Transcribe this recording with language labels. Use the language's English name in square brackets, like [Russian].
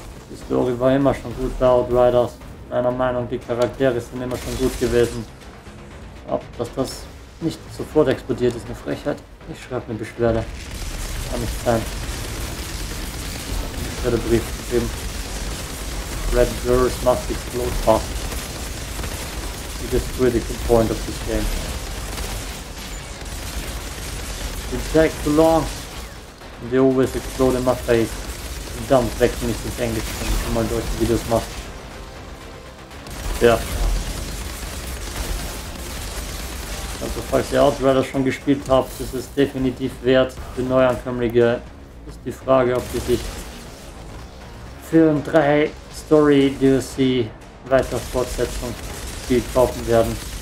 [German] Die Story war immer schon gut bei Outriders. Meiner Meinung nach, die Charaktere sind immer schon gut gewesen. Ob dass das nicht sofort explodiert, ist eine Frechheit. Ich schreibe eine Beschwerde. Kann nicht sein. Ich habe einen Beschwerdebrief geschrieben. [English] Red Girls must explode fast. It is critical point of this game. It takes too long. And they always explode in my face. [German] Verdammt, weg mich ins Englisch, wenn ich mal deutsche Videos mache. Ja. Also falls ihr Outriders schon gespielt habt, ist es definitiv wert. Für Neuankömmlinge ist die Frage, ob die sich für ein 3 Story DLC weiter Fortsetzung Spiel kaufen werden.